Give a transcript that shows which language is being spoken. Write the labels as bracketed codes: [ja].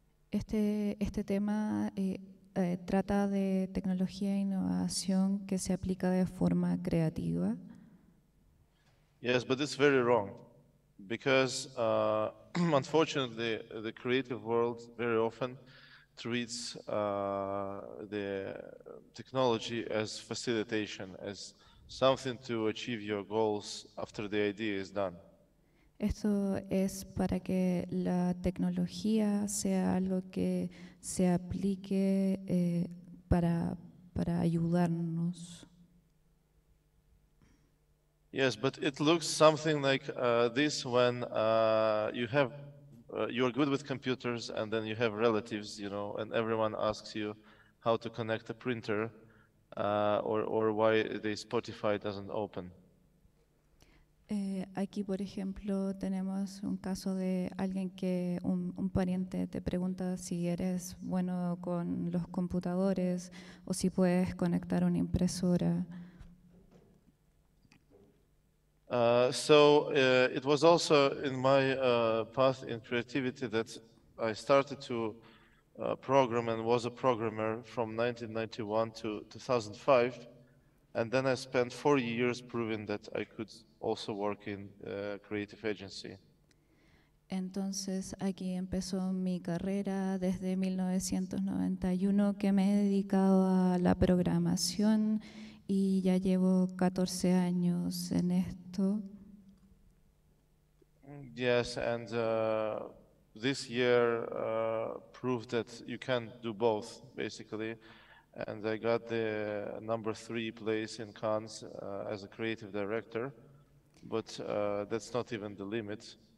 [es] Este tema trata de tecnología e innovación que se aplica de forma creativa. [en] Yes, but it's very wrong, because unfortunately, the creative world very often treats the technology as facilitation, as something to achieve your goals after the idea is done. [es] Esto es para que la tecnología sea algo que se aplique para ayudarnos. [en] Yes, but it looks something like this when you are good with computers and then you have relatives, you know, and everyone asks you how to connect a printer or why the Spotify doesn't open. [es] Aquí, por ejemplo, tenemos un caso de alguien que un pariente te pregunta si eres bueno con los computadores o si puedes conectar una impresora. [en] So it was also in my path in creativity that I started to program and was a programmer from 1991 to 2005. And then I spent 4 years proving that I could also work in a creative agency. [es] Entonces aquí empezó mi carrera desde 1991 que me he dedicado a la programación y ya llevo 14 años en esto. [en] Yes, and this year proved that you can do both, basically. and I got the number 3 place in Cannes as a creative director, but that's not even the limit.